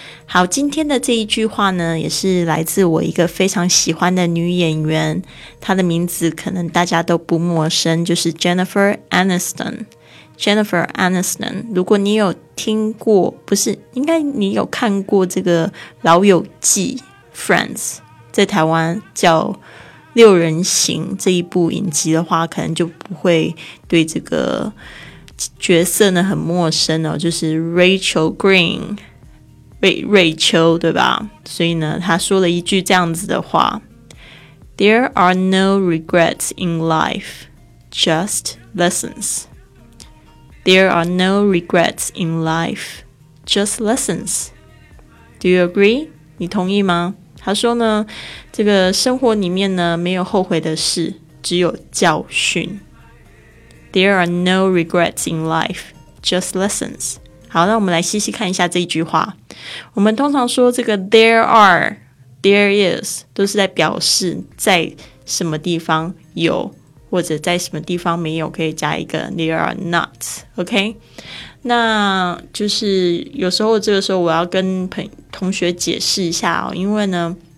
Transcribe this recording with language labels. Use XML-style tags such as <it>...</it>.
<zh>好，今天的这一句话呢也是来自我一个非常喜欢的女演员，她的名字可能大家都不陌生，就是 Jennifer AnistonJennifer Aniston， 如果你有听过，不是，应该你有看过这个老友记 Friends， 在台湾叫六人行这一部影集的话，可能就不会对这个角色呢很陌生哦，就是 Rachel Green， 瑞秋对吧？所以呢他说了一句这样子的话，</zh> <en>There are no regrets in life, just lessons. There are no regrets in life, just lessons. Do you agree?</en> <zh>你同意吗？他说呢，这个生活里面呢，没有后悔的事，只有教训。</zh> <en>There are no regrets in life, just lessons.</en> <zh>好，那我们来细细看一下这一句话。我们通常说这个 there are, there is, 都是在表示在什么地方有。或者在什么地方没有，可以加一个 there are not， OK， 那就是有时候这个时候我要跟同学解释一下哦，因为呢</zh>